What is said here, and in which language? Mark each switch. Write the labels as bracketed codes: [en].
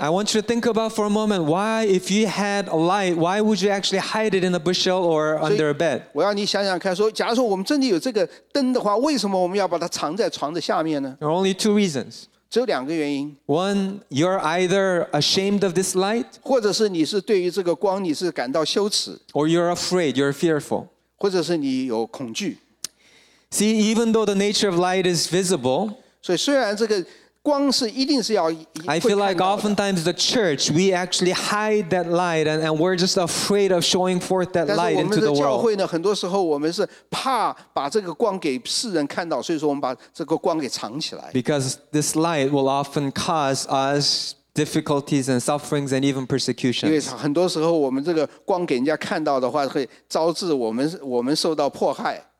[en] I want you to think about for a moment why, if you had a light, why would you actually hide it in a bushel or under a bed? [zh] 我要你想想看，说假如说我们真的有这个灯的话，为什么我们要把它藏在床的下面呢？ [en] There are only two reasons. [zh] 只有两个原因。 [en] One, you're either ashamed of this light, [zh] 或者是你是对于这个光你是感到羞耻。 [en] Or you're afraid, you're fearful, [zh] 或者是你有恐惧。 [en] See, even though the nature of light is visible, [zh] 所以虽然这个光是一定是要会看到的。 [en] I feel like oftentimes the church, we actually hide that light and we're just afraid of showing forth that light into the world. [zh] 但是我们的教会呢，很多时候我们是怕把这个光给世人看到，所以说我们把这个光给藏起来。 [en] Because this light will often cause us difficulties and sufferings and even persecutions. [zh] 因为很多时候我们这个光给人家看到的话，会招致我们受到迫害。